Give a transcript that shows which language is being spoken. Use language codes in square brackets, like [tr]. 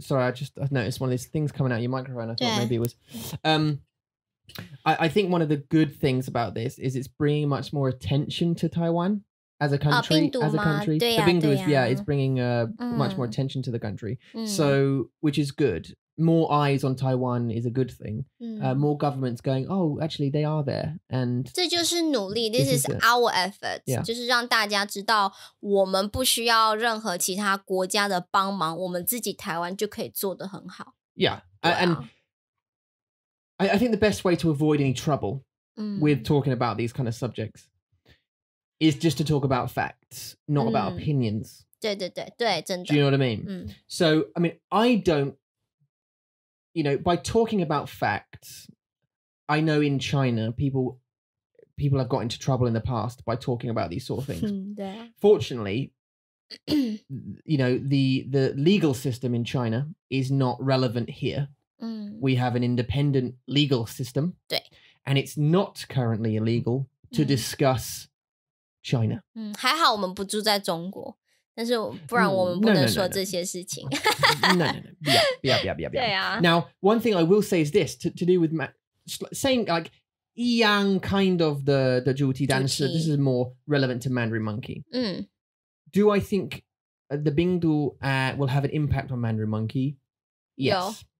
[en] Sorry, I noticed one of these things coming out your microphone. I thought maybe it was. I think one of the good things about this is it's bringing much more attention to Taiwan as a country. As a country, [zh] 对啊, [en] the Bingdu is, yeah, it's bringing much more attention to the country. So, which is good. More eyes on Taiwan is a good thing. More governments going, oh, actually, they are there. And [zh] 这就是努力, [en] this is our effort. Yeah. [zh] 就是让大家知道我们不需要任何其他国家的帮忙，我们自己台湾就可以做得很好。 [en] Yeah, and I think the best way to avoid any trouble with talking about these kind of subjects is just to talk about facts, not about opinions. [zh] 对对对, 对, [en] do you know what I mean? So, I mean, I don't, you know, by talking about facts, I know in China, people have got into trouble in the past by talking about these sort of things. Fortunately, you know, the legal system in China is not relevant here. We have an independent legal system. And it's not currently illegal to discuss China. [zh] 还好我们不住在中国。但是不然我们不能说这些事情。 [en] No. Now, one thing I will say is this, to do with saying like, [zh] 一样 [en] kind of the [zh] 主题,但是 [en] this is more relevant to Mandarin Monkey. Do I think the 病毒 will have an impact on Mandarin Monkey? Yes.